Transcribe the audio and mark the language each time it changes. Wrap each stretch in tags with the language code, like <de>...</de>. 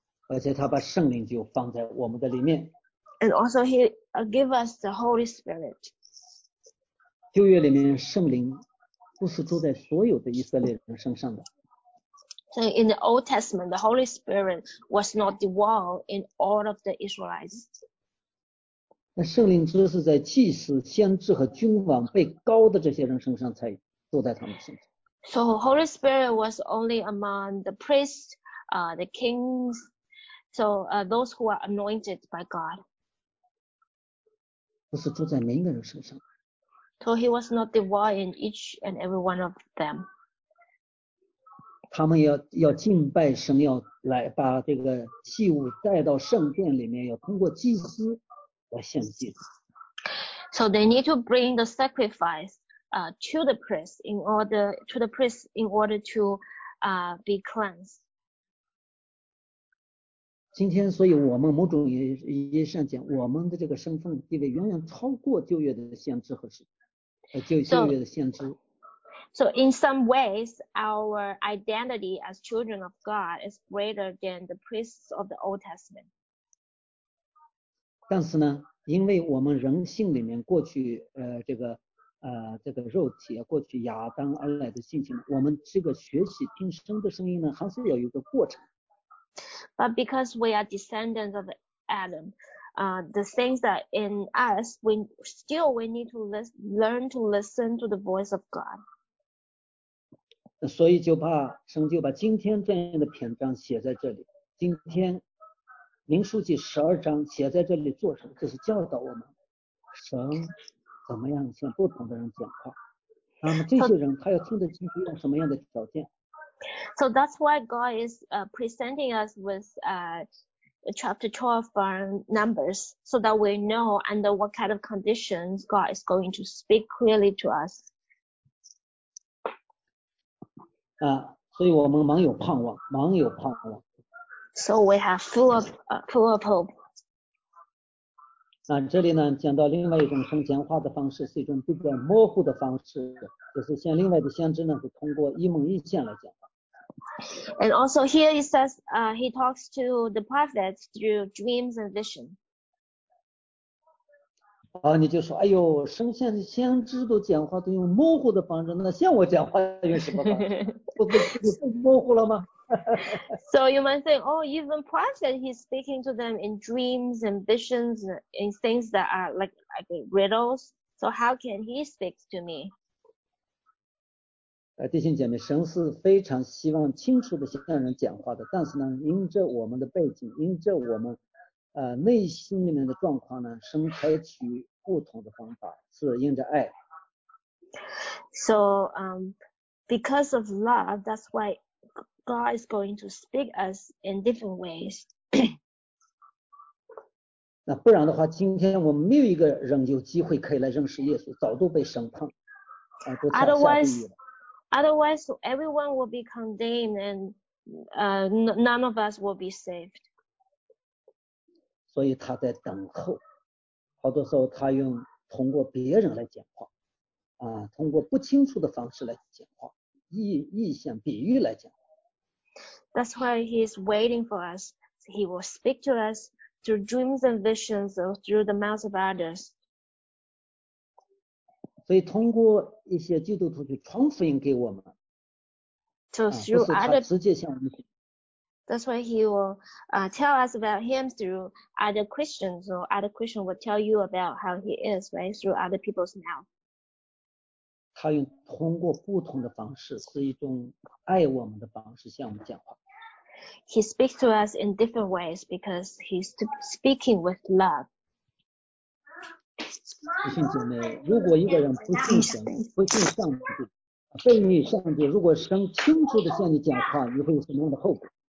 <zh>而且他把圣灵就放在我们的里面。</zh> <en>And also he give us the Holy Spirit.</en> <zh>旧约里面圣灵不是住在所有的以色列人身上的。</zh> <en>So in the Old Testament, the Holy Spirit was not dwell in all of the Israelites.</en> <zh>那圣灵只是在祭司、先知和君王被高的这些人身上才住在他们身上。</zh> <en>So Holy Spirit was only among the priests, the kings, so those who are anointed by God.</en> <zh>不是住在每一个人身上。</zh> <en>So he was not divine in each and every one of them.</en> <zh>他们要敬拜神，要来把这个祭物带到圣殿里面，要通过祭司。</zh> <en>So they need to bring the sacrifice to the priest in order to the priest in order to be cleansed.</en> <zh>今天，所以我们某种意义上讲，我们的这个身份地位远远超过旧约的先知和使徒，旧约的先知。</zh> <en>So in some ways, our identity as children of God is greater than the priests of the Old Testament.</en> <zh>但是呢，因为我们人性里面过去，这个，这个肉体过去亚当而来的信息，我们这个学习听生的声音呢还是有一个过程。</zh> <en>But because we are descendants of Adam, the things that in us, we need to learn to listen to the voice of God.</en> <zh>所以就把神就把今天这样的篇章写在这里，今天民数记十二章写在这里做什么？就是教导我们神怎么样向不同的人讲话，那么这些人他要听得清楚用什么样的条件。</zh> <en>So that's why God is presenting us with chapter 12 from Numbers, so that we know under what kind of conditions God is going to speak clearly to us.</en> <zh>啊，所以我们蛮有盼望，蛮有盼望。</zh> <en>So we have full of hope.</en> <zh>啊，这里呢讲到另外一种神讲话的方式，是一种比较模糊的方式，就是像另外的先知呢，是通过一梦一见来讲。</zh> <en>And also here he says, he talks to the prophets through dreams and vision.</en> <zh>啊，你就说，哎呦，先知都讲话都用模糊的方式，那像我讲话用什么方式？不模糊了吗？</zh> <en>So you might think, oh, even prophet, he's speaking to them in dreams and visions and things that are like riddles. So how can he speak to me?</en> <zh>弟兄姐妹，神是非常希望清楚地向人讲话的，但是呢，因着我们的背景，因着我们内心里面的状况呢，神采取不同的方法，是因着爱。</zh> <en>So, because of love, that's why God is going to speak us in different ways.</en> <zh>那不然的话，今天我们没有一个人有机会可以来认识耶稣，早都被审判，都下地狱了。</zh> <en>Otherwise, everyone will be condemned and none of us will be saved.</en> <zh>所以他在等候，好多时候他用通过别人来讲话，通过不清楚的方式来讲话，意象、比喻来讲话。</zh> <en>That's why he's waiting for us. He will speak to us through dreams and visions or through the mouth of others.</en> <zh>所以通过一些基督徒去传福音给我们，就是他直接向我们。</zh> <en>That's why he will tell us about him through other Christians, or other Christians will tell you about how he is, right? Through other people's mouth.</en> <zh>他用通过不同的方式，是一种爱我们的方式向我们讲话。</zh> <en>He speaks to us in different ways because he's speaking with love.</en> <zh>弟兄姐妹，如果一个人不信神，不信上帝，背逆上帝，如果神清楚地向你讲话，你会有什么样的后果？</zh>